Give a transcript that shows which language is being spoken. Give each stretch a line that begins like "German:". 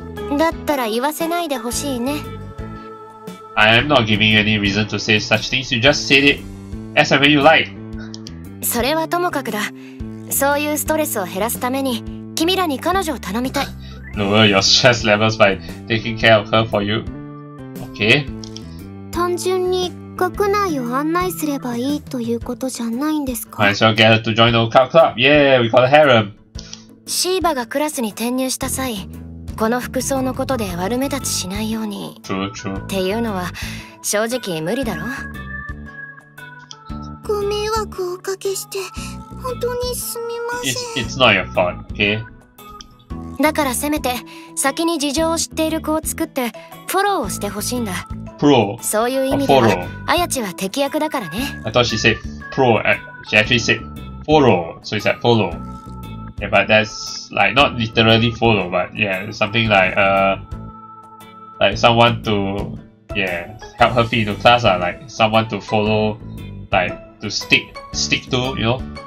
English: I am not giving you any reason to say such things, you just said it as and when you like.
Japanese: それはともかくだ。
English: Lower your stress levels by taking care of her for you. Okay.
Japanese: 単純に学内を案内すればいいということじゃないんですか。
English: Alright, so get her to join the cult club. Yeah, we call it harem.
Japanese: シーバがクラスに転入した際、この服装のことで悪目立ちしないように。
English: True, true.
Japanese: っていうのは正直無理だろ。ご迷惑をおかけして本当にすみません。
English: It's not your fault, okay?
Japanese: だからせめて先に事情を知っている子を作ってフォローをしてほしいんだ。プロ、そういう意味ではアヤチは敵役だからね。
English: I thought she said pro. She actually said follow. So it's like follow. Yeah, but that's like not literally follow, but yeah, something like someone to yeah help her fit into class ah, like someone to follow, like to stick to, you know.